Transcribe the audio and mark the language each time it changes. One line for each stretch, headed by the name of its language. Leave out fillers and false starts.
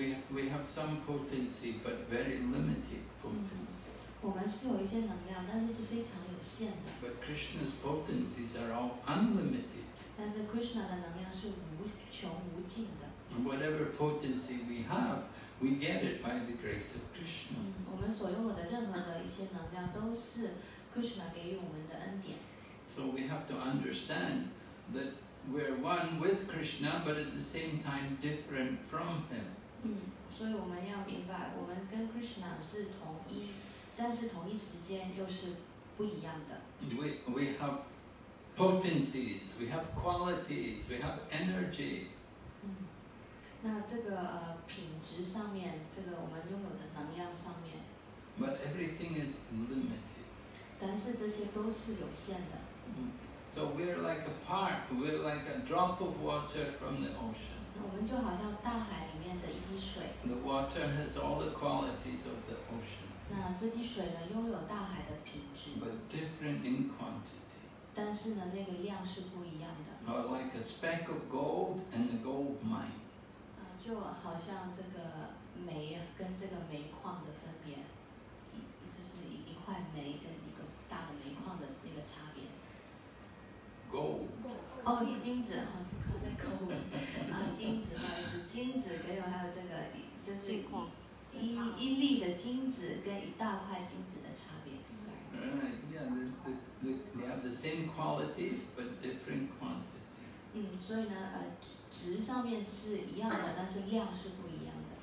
English: We have some potency, but very limited potency.
Chinese: 我们是有一些能量，但是非常有限的。
English: But Krishna's potencies are all unlimited.
Chinese: 但是 Krishna 的能量是无穷无尽的。
English: And whatever potency we have, we get it by the grace of Krishna.
Chinese: 我们所用的任何的一些能量都是 Krishna 给予我们的恩典。
English: So we have to understand that we're one with Krishna, but at the same time different from him.
Chinese: 所以我们要明白，我们跟 Krishna 是同一，但是同一时间又是不一样的。
English: We have potencies, we have qualities, we have energy.
Chinese: 那这个品质上面，这个我们拥有的能量上面。
English: But everything is limited.
Chinese: 但是这些都是有限的。
English: So we're like a part, we're like a drop of water from the ocean.
Chinese: 我们就好像大海里面的一滴水。
English: The water has all the qualities of the ocean.
Chinese: 那这滴水呢，拥有大海的品质。
English: But different in quantity.
Chinese: 但是呢，那个量是不一样的。
English: Or like a speck of gold and a gold mine.
Chinese: 就好像这个煤跟这个煤矿的分别，就是一块煤跟一个大的煤矿的那个差别。
English: Gold。
Chinese: 哦，金子。 Gold。啊，金子，不好意思，金子跟还有这个，这是一粒的金子跟一大块金子的差别。
English: Yeah, they have the same qualities but different quantity.
Chinese: 所以呢，值上面是一样的，但是量是不一样的。